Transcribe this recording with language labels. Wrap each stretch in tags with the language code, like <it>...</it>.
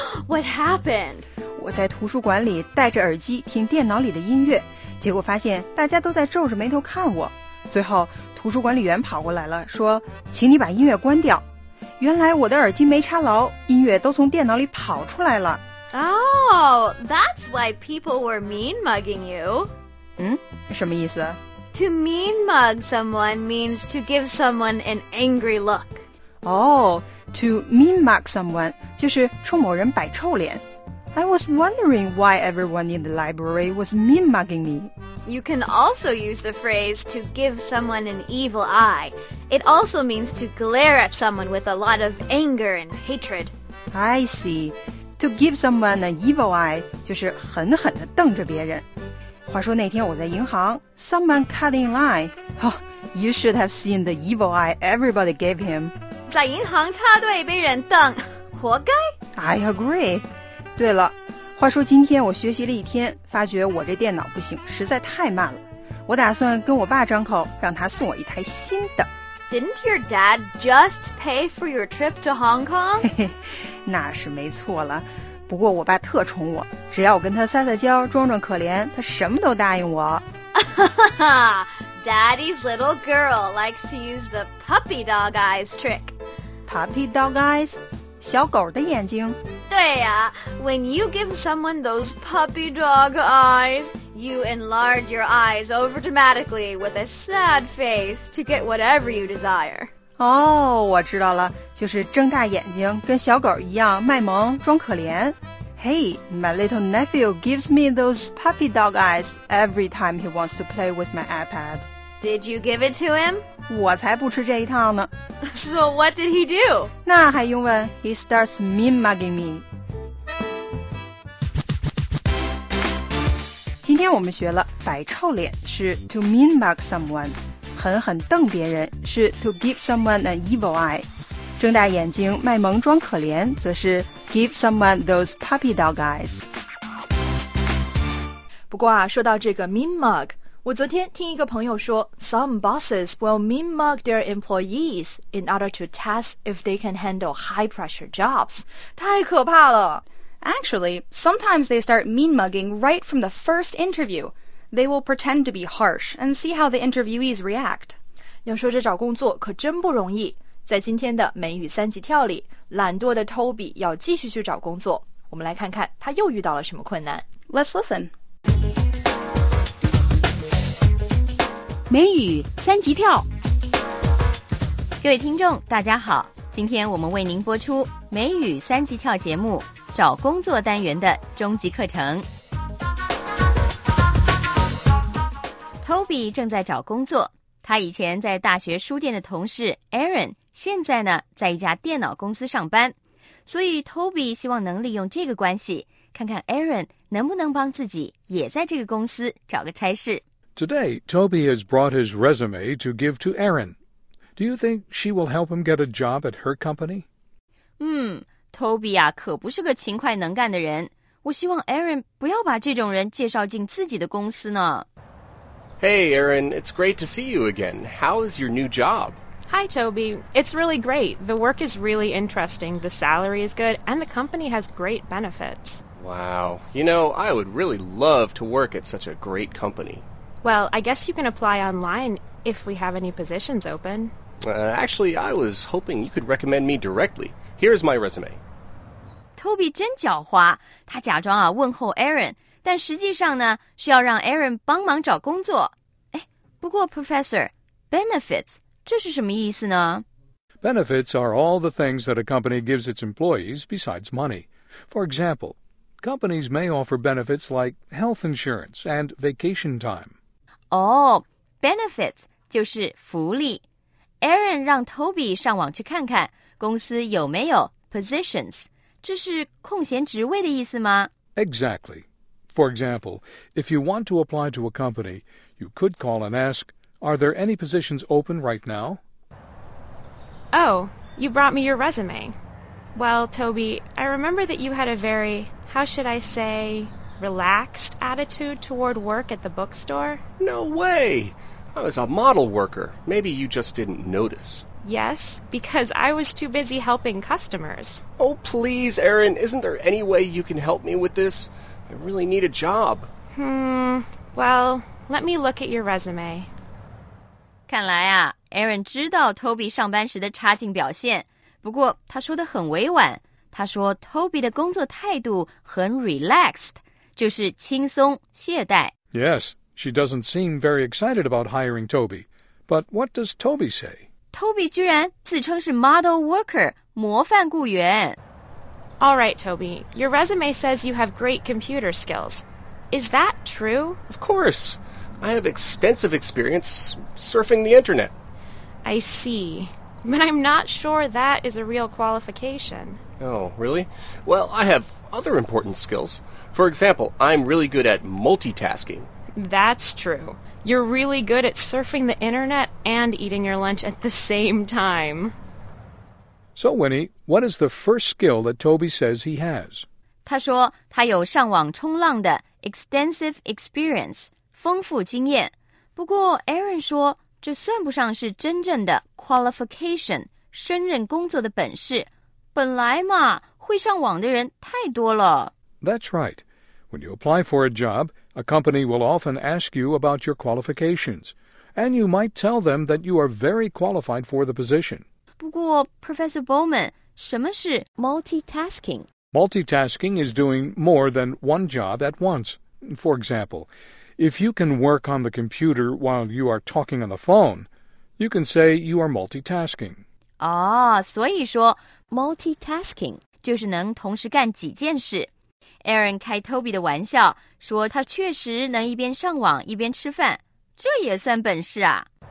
<en>What happened？</en> <zh>我在图书馆里戴着耳机听电脑里的音乐，结果发现大家都在皱着眉头看我。最后图书管理员跑过来了，说请你把音乐关掉。原来我的耳机没插牢，音乐都从电脑里跑出来了。</zh> <en>Oh, that's why people were mean mugging you.</en> <zh>什么意思？</zh> <en>To mean mug someone means to give someone an angry look. To mean mug someone</en> <zh>就是冲某人摆臭脸。</zh> <en>I was wondering why everyone in the library was mean mugging me. You can also use the phrase to give someone an evil eye. It also means to glare at someone with a lot of anger and hatred. I see. To give someone an evil eye</en> <zh>就是狠狠地瞪着别人。话说那天我在银行，</zh> <en>someone cut in line. Oh, you should have seen the evil eye everybody gave him.</en> <zh>在银行插队被人瞪，活该。</zh> <en>I agree.</en> <zh>对了，话说今天我学习了一天，发觉我这电脑不行，实在太慢了。我打算跟我爸张口，让他送我一台新的。</zh> <en>Didn't your dad just pay for your trip to Hong Kong?</en> <zh>那是没错了，不过我爸特宠我，只要我跟他撒撒娇装装可怜，他什么都答应我。</zh> <en>Daddy's little girl likes to use the puppy dog eyes trick. Puppy dog eyes?</en> <zh>小狗的眼睛？对呀、啊、</zh> <en>When you give someone those puppy dog eyes, you enlarge your eyes over dramatically with a sad face to get whatever you desire.</en> <zh>哦、oh, 我知道了，就是睁大眼睛跟小狗一样卖萌装可怜。</zh> <en>Hey, my little nephew gives me those puppy dog eyes every time he wants to play with my iPad. Did you give it to him?</en> <zh>我才不吃这一套呢。</zh> <en>So what did he do?</en> <zh>那还用问？</zh> <en>He starts mean mugging me.</en> <zh>今天我们学了摆臭脸是</zh> <en>to mean mug someone,</en> <zh>狠狠瞪别人是</zh> <en>to give someone an evil eye.</en> <zh>睁大眼睛卖萌装可怜则是</zh> <en>give someone those puppy dog eyes。</en> <zh>不过啊，说到这个 mean mug， 我昨天听一个朋友说</zh> <en>some bosses will mean mug their employees in order to test if they can handle high pressure jobs。</en> <zh>太可怕了。</zh> <en>Actually, sometimes they start mean mugging right from the first interview. They will pretend to be harsh and see how the interviewees react。</en> <zh>要说这找工作可真不容易，在今天的美语三级跳里，懒惰的 Toby 要继续去找工作。我们来看看他又遇到了什么困难。</zh> <en>Let's listen.</en> <zh>美语三级跳。各位听众，大家好，今天我们为您播出美语三级跳节目找工作单元的终极课程。 Toby 正在找工作，他以前在大学书店的同事 Aaron。现在呢，在一家电脑公司上班，所以 Toby 希望能利用这个关系，看看 Aaron 能不能帮自己也在这个公司找个差事。</zh> <en>Today, Toby has brought his resume to give to Aaron. Do you think she will help him get a job at her company?</en> <zh>Toby 啊，可不是个勤快能干的人。我希望 Aaron 不要把这种人介绍进自己的公司呢。</zh> <en>Hey, Aaron, it's great to see you again. How is your new job? Hi, Toby. It's really great. The work is really interesting, the salary is good, and the company has great benefits. Wow. You know, I would really love to work at such a great company. Well, I guess you can apply online if we have any positions open. Actually, I was hoping you could recommend me directly. Here's my resume.</en> <zh>Toby 真狡猾，他假装啊问候 Aaron, 但实际上呢是要让 Aaron 帮忙找工作。哎，不过 Professor, benefits... 这是什么意思呢？</zh> <en>Benefits are all the things that a company gives its employees besides money. For example, companies may offer benefits like health insurance and vacation time.</en> <zh>Oh, benefits 就是福利。 Aaron 让 Toby 上网去看看公司有没有 positions, 这是空闲职位的意思吗？</zh> <en>Exactly. For example, if you want to apply to a company, you could call and ask,Are there any positions open right now? Oh, you brought me your resume. Well, Toby, I remember that you had a very, how should I say, relaxed attitude toward work at the bookstore. No way! I was a model worker. Maybe you just didn't notice. Yes, because I was too busy helping customers. Oh, please, Aaron, isn't there any way you can help me with this? I really need a job. Well, let me look at your resume.</en> <zh>看来啊 ,Aaron 知道 Toby 上班时的差劲表现，不过他说得很委婉，他说 Toby 的工作态度很 relaxed, 就是轻松懈怠。</zh> <en>Yes, she doesn't seem very excited about hiring Toby, but what does Toby say?</en> <zh>Toby 居然自称是 model worker, 模范雇员。</zh> <en>All right, Toby, your resume says you have great computer skills. Is that true? Of course! I have extensive experience surfing the internet. I see. But I'm not sure that is a real qualification. Oh, really? Well, I have other important skills. For example, I'm really good at multitasking. That's true. You're really good at surfing the internet and eating your lunch at the same time. So, Winnie, what is the first skill that Toby says he has?</en> <zh>他说他有上网冲浪的 extensive experience. 丰富经验，不过 Aaron 说这算不上是真正的 qualification, 胜任工作的本事。本来嘛，会上网的人太多了。</zh> <en>That's right. When you apply for a job, a company will often ask you about your qualifications, and you might tell them that you are very qualified for the position.</en> <zh>不过 Professor Bowman, 什么是 multitasking?</zh> <en>Multitasking is doing more than one job at once. For example, if you can work on the computer while you are talking on the phone, you can say you are multitasking.</en> <zh>哦、oh, 所以说 multitasking 就是能同时干几件事。 Aaron 开 Toby 的玩笑说他确实能一边上网一边吃饭，这也算本事啊。</zh>